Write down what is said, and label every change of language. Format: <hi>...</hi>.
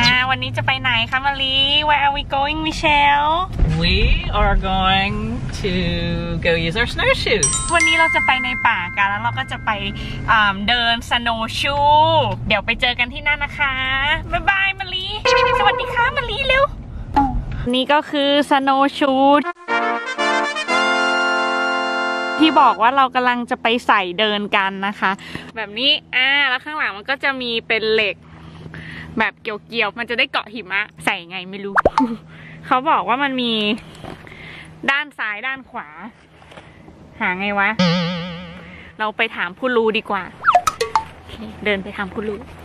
<th>วันนี้จะไปไหนคะมารี</th> <en>Where are we going, Michelle? We are going to go use our snowshoes.</en> <th>วันนี้เราจะไปในป่ากันแล้วเราก็จะไปเดินสโนว์ชูเดี๋ยวไปเจอกันที่นั่นนะคะบ๊ายบายมารีสวัสดีค่ะมารีเร็วนี่ก็คือสโนว์ชู ที่บอกว่าเรากำลังจะไปใส่เดินกันนะคะแบบนี้แล้วข้างหลังมันก็จะมีเป็นเหล็กแบบเกี่ยวๆมันจะได้เกาะหิมะใส่ไงไม่รู้เขาบอกว่ามันมีด้านซ้ายด้านขวาหาไงวะเราไปถามผู้รู้ดีกว่าเดินไปถามผู้รู้</th>